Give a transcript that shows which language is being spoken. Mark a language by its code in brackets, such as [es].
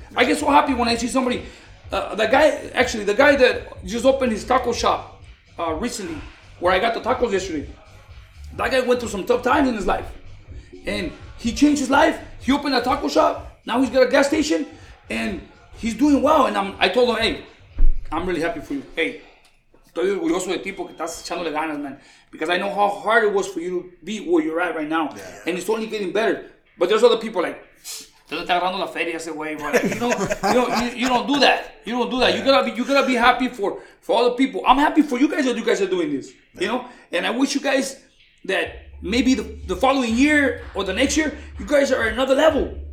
[en] I get so happy when I see somebody. The guy that just opened his taco shop recently, where I got the tacos yesterday, that guy went through some tough times in his life. And he changed his life. He opened a taco shop. Now he's got a gas station, and he's doing well. And I told him, hey, I'm really happy for you. [es] Hey, estoy orgulloso de ti porque estás echándole ganas, man. [en] Because I know how hard it was for you to be where you're at right now. Yeah. And it's only getting better. But there's other people like, [es] te está agarrando la feria ese güey, [en] but you don't do that. You don't do that. Yeah. You gotta be happy for all the people. I'm happy for you guys that you guys are doing this. Yeah. You know? And I wish you guys that maybe the following year or the next year, you guys are at another level.